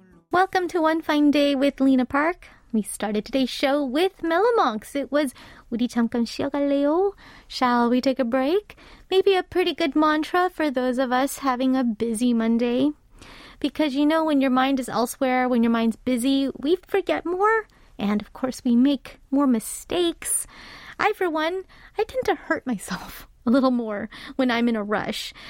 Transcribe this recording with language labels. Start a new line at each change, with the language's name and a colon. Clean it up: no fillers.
English: Welcome to One Fine Day with Lena Park. We started today's show with Melomonks. It was,
Korean: 우리 잠깐 쉬어갈래요?
English: Shall we take a break? Maybe a pretty good mantra for those of us having a busy Monday. Because you know, when your mind is elsewhere, when your mind's busy, we forget more. And of course, we make more mistakes. I, for one, I tend to hurt myself a little more when I'm in a rush.